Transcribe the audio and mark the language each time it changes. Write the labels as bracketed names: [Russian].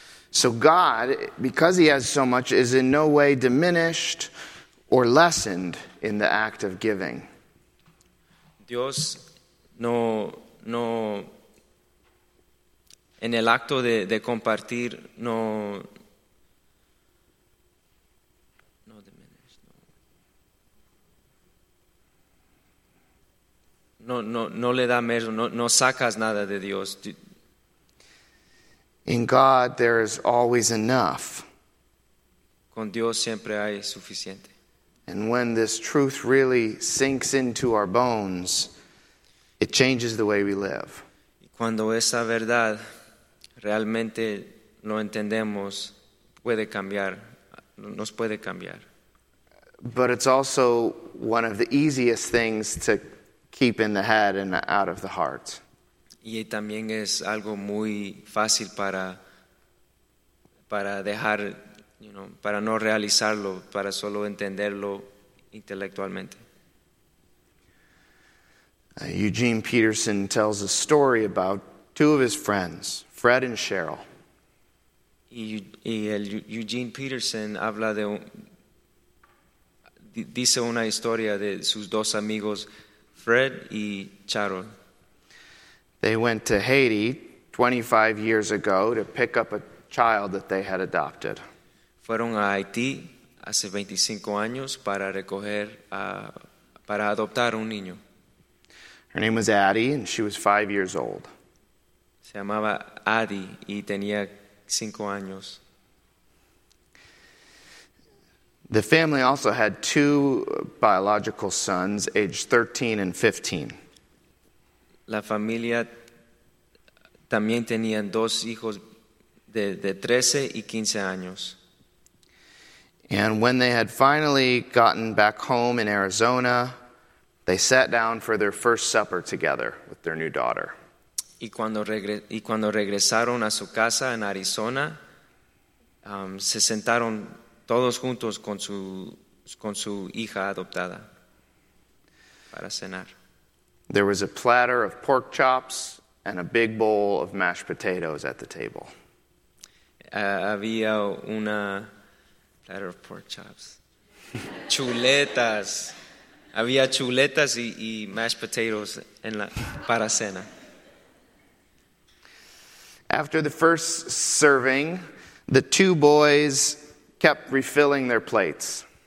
[English] So God, because he has so much, is in no way diminished or lessened in the act of giving. [Spanish] Dios no en el acto de compartir no [English] diminished. [Spanish] No le da menos, no sacas nada de Dios. [English] In God there is always enough. [Spanish] Con Dios siempre hay suficiente. [English] And when this truth really sinks into our bones, it changes the way we live. [Spanish] Cuando esa verdad realmente lo entendemos, puede cambiar, nos puede cambiar. [English] But it's also one of the easiest things to keep in the head and out of the heart. [Spanish] Y también es algo muy fácil para dejar, [English] you know, [Spanish] para no realizarlo, para solo entenderlo intelectualmente. [English] Eugene Peterson tells a story about two of his friends, Fred and Cheryl. [Spanish] Eugene Peterson habla de, dice una historia de sus dos amigos, Fred y Cheryl. [English] They went to Haiti 25 years ago to pick up a child that they had adopted. [Spanish] Fueron a Haití hace 25 años para recoger, para adoptar un niño. [English] Her name was Addie, and she was 5 years old. [Spanish] Se llamaba Addie, y tenía 5 años. [English] The family also had two biological sons, aged 13 and 15. [Spanish] La familia también tenía dos hijos de 13 y 15 años. [English] And when they had finally gotten back home in Arizona, they sat down for their first supper together with their new daughter. [Spanish] Y cuando regresaron a su casa en Arizona, se sentaron todos juntos con su hija adoptada para cenar. [English] There was a platter of pork chops and a big bowl of mashed potatoes at the table. [Spanish] Había una [English] platter of pork chops. [Spanish] Chuletas. Había chuletas y [English] mashed potatoes [Spanish] en la para cena. [English] After the first serving, the two boys kept refilling their plates.